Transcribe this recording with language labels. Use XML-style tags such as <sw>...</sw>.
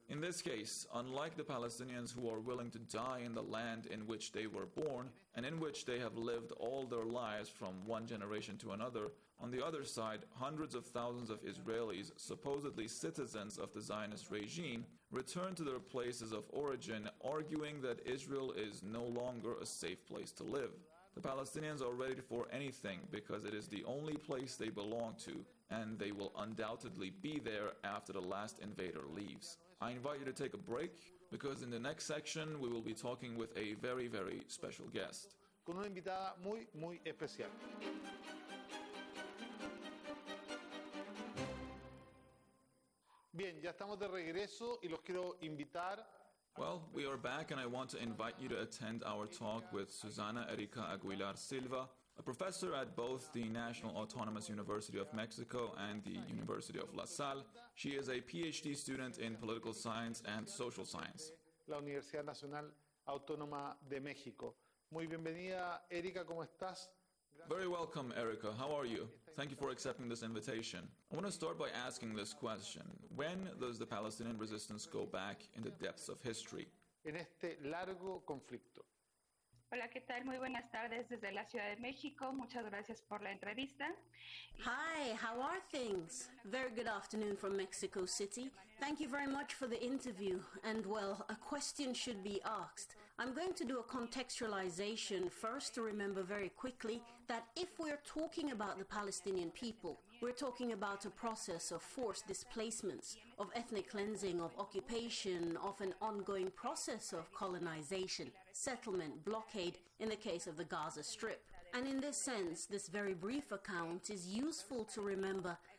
<en>In this case, unlike the Palestinians who are willing to die in the land in which they were born and in which they have lived all their lives from one generation to another, on the other side, hundreds of thousands of Israelis, supposedly citizens of the Zionist regime, return to their places of origin, arguing that Israel is no longer a safe place to live. The Palestinians are ready for anything because it is the only place they belong to, and they will undoubtedly be there after the last invader leaves. I invite you to take a break, because in the next section we will be talking with a very, very special guest.</en> <es>Con una invitada muy, muy especial. Bien, ya estamos de regreso y los quiero invitar.</es> <en>Well, we are back and I want to invite you to attend our talk with Susana Erika Aguilar Silva, a professor at both the National Autonomous University of Mexico and the University of La Salle. She is a PhD student in political science and social science.</en> <es>La Universidad Nacional Autónoma de México. Muy bienvenida, Erika, ¿cómo estás?</es> <en>Very welcome, Erika. How are you? Thank you for accepting this invitation. I want to start by asking this question. When does the Palestinian resistance go back in the depths of history?</en> <es>En este largo conflicto. Hola, ¿qué tal? Muy buenas tardes desde la Ciudad de México. Muchas gracias por la entrevista.</es> <en>Hi, how are things? Very good afternoon from Mexico City. Thank you very much for the interview. And well, a question should be asked. I'm going to do a contextualization first to remember very quickly that if we're talking about the Palestinian people, we're talking about a process of forced displacements, of ethnic cleansing, of occupation, of an ongoing process of colonization, settlement, blockade, in the case of the Gaza Strip. And in this sense, this very brief account is useful to remember</en>